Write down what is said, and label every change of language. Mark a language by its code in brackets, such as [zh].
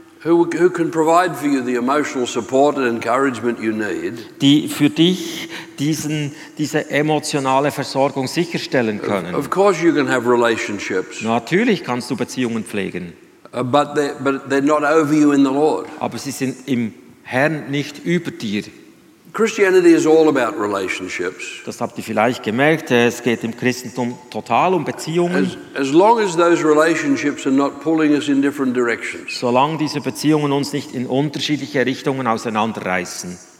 [en] who can provide for you the emotional support and encouragement you need, [de] die für dich diese emotionale Versorgung sicherstellen können. [en] Of course you can have relationships. [de] Natürlich kannst du Beziehungen pflegen. [en] But they're not over you in the Lord. [de] Aber sie sind im Herrn nicht über dir. [en] Christianity is all about relationships. [de] Das habt ihr vielleicht gemerkt, es geht im Christentum total um Beziehungen. [en] As long as those relationships are not pulling us in different directions. [de] Solange diese Beziehungen uns nicht in unterschiedliche Richtungen auseinanderreißen.